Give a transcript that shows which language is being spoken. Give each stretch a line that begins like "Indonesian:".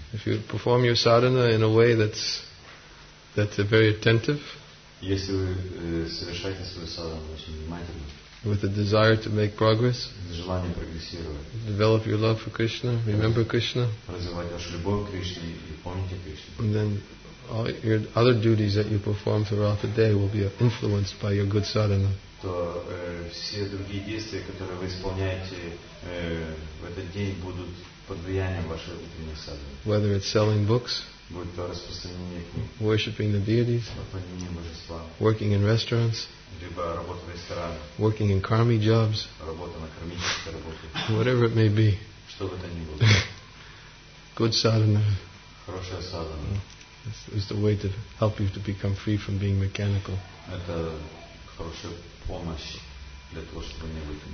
English: If you perform your sadhana in a way that's very attentive.
Russian: Если вы совершаете свою садхану очень внимательно,
English: with a desire to make progress,
Russian: желание прогрессировать,
English: develop your love for Krishna, remember Krishna,
Russian: развивать вашу любовь к Кришне и помните Кришну,
English: and then all your other duties that you perform throughout the day will be influenced by your good sadhana.
Russian: То все другие действия, которые вы исполняете в этот день, будут под влиянием вашей утренней садханы.
English: Whether it's selling books,
Russian: будь то распространение книг,
English: worshipping the deities,
Russian: поклонение божества,
English: working in restaurants,
Russian: либо работа в ресторане,
English: working in karmic jobs,
Russian: работа на кармической работе,
English: whatever it may be,
Russian: что бы то ни было,
English: good sadhana,
Russian: хорошая sadhana,
English: is the way to help you to become free from being mechanical.
Russian: Это хорошая помощь для того, чтобы не быть.